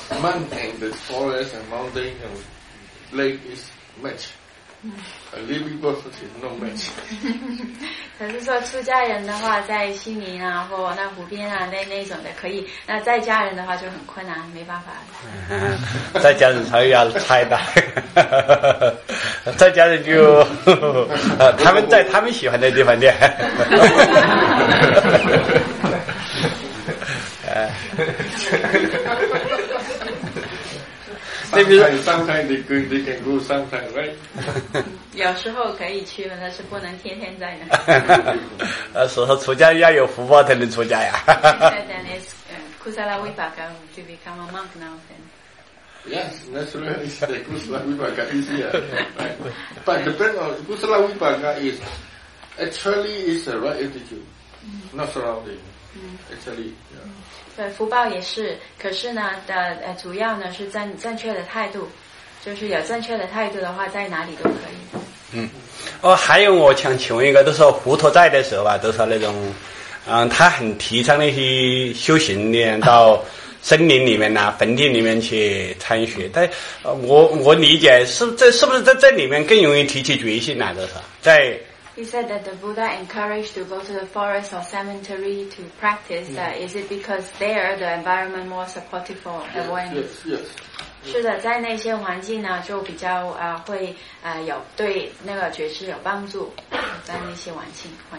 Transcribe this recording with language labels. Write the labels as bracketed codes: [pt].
[en] Mountain, the forest and mountain and lake is match. A living person is no match. [zh] 可是说出家人的话，在西宁啊，或那湖边啊，那种的可以；那在家人的话就很困难，没办法。在家人才要猜的。在家人就他们在他们喜欢的地方练。那比如 [en] sometimes they can go sometimes, right? [zh] 有时候可以去，但是不能天天在那。所以说出家要有福报才能出家呀。 [en] Then it's Kusala Vipaka to become a monk now then. Yes, naturally, it's the Kusala Vipaka easier. But the brand of Kusala Vipaka is actually is the right attitude, not surrounding. Actually, yeah. [zh] 对，福报也是，可是呢，主要呢是正确的态度，就是有正确的态度的话，在哪里都可以。还有我想请问一个，都说佛陀在的时候吧，都说那种，他很提倡那些修行练到。森林里面呐、坟地里面去参学，但我理解是不是在这里面更容易提起决心呐、就是？在。 [en] He said that the Buddha encouraged to go to the forest or cemetery to practice. That is it because there the environment more supportive for the one. Yes. [zh] 是的，在那些环境呢，就比较会有对那个觉知有帮助，在那些环境。